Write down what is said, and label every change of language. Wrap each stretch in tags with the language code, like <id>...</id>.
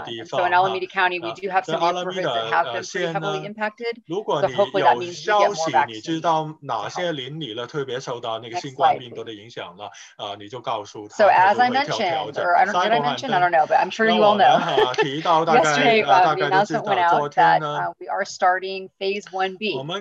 <en>So in Alameda County, we do have some neighborhoods that have been heavily impacted. So hopefully that means we get more vaccines.</en> <zh>如果你有消息，你知道哪些邻里呢特别受到那个新冠病毒的影响了，你就告诉他。</zh> <en>So as I mentioned, or did I mention? I don't know, but I'm sure you all know. Yesterday, the announcement went out that we are starting phase 1B.</en>